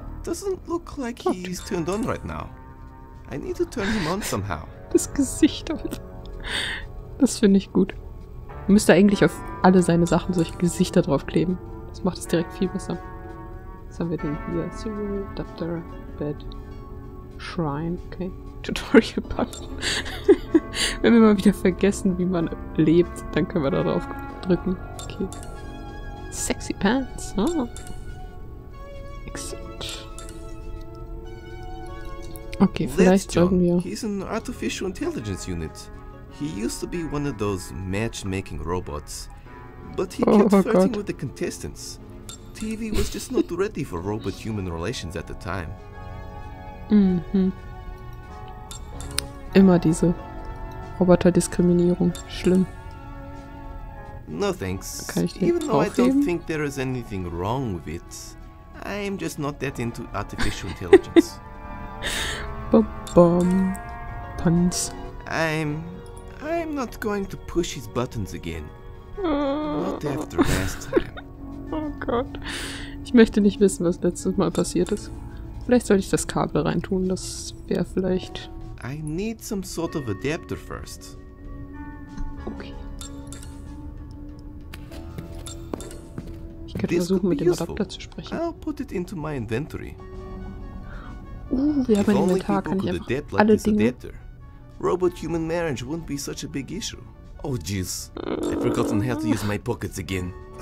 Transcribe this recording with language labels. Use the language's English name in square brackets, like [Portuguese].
[English] Doesn't look like he's turned on right now. I need to turn him on somehow. [German] Das Gesicht, Alter. Das finde ich gut. Man müsste eigentlich auf alle seine Sachen solche Gesichter draufkleben. Das macht es direkt viel besser. Was haben wir denn hier? [English] Serial, Adapter, Bed, Shrine, okay. Tutorial-Button. [German] Wenn wir mal wieder vergessen, wie man lebt, dann können wir da drauf drücken. Okay. [English] Sexy Pants, oh. Exit. [German] Okay, vielleicht sollten wir... [English] He's an Artificial Intelligence Unit. He used to be one of those matchmaking robots, but he kept flirting with the contestants. TV was just not ready for robot-human relations at the time. Mhm. [German] Immer diese Roboter-Diskriminierung. Schlimm. [English] No thanks. Even though I don't think there is anything wrong with it, I'm just not that into artificial intelligence. Bum-bum. Puns. I'm not going to push his buttons again. Not after last time. [German] Oh Gott. Ich möchte nicht wissen, was letztes Mal passiert ist. Vielleicht sollte ich das Kabel reintun, das wäre vielleicht... [English] I need some sort of adapter first. Okay. [German] Ich könnte versuchen, mit dem Adapter zu sprechen. [English] I'll put it into my inventory. [German] Wir haben einen Inventar, kann ich einfach alle Dinge... [English] Robot-human marriage wouldn't be such a big issue. Oh jeez, I've forgotten how to use my pockets again.